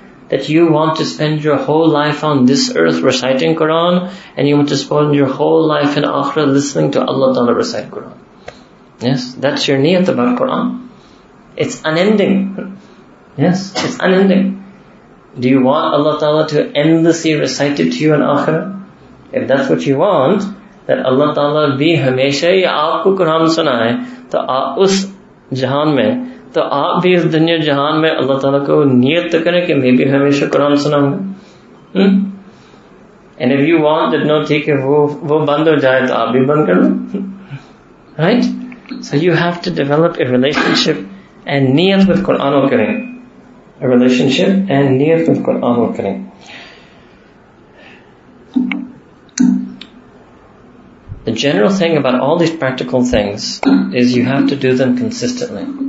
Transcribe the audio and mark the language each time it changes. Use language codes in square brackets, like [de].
[en] That you want to spend your whole life on this earth reciting Quran, and you want to spend your whole life in Akhirah listening to Allah Ta'ala recite Quran. Yes, that's your niyat about Quran. It's unending. Yes, it's unending. Do you want Allah Ta'ala to endlessly recite it to you in Akhirah? If that's what you want, that [ur] Allah Ta'ala bhi hamesha hi aapko Quran sunaye, to us jahan mein, تو آپ بھی اس دنیا جہان میں اللہ تعالیٰ کو نیت تو کریں کہ میں بھی ہمیشہ قرآن سناؤں گا. [en] And if you want that, no, [ur] ٹھیک ہے, وہ بند ہو جائے تو آپ بھی بند کر لیں. [en] Right? So you have to develop a relationship and نیت with Quran کریں. A relationship and نیت with Quran کریں. The general thing about all these practical things is you have to do them consistently.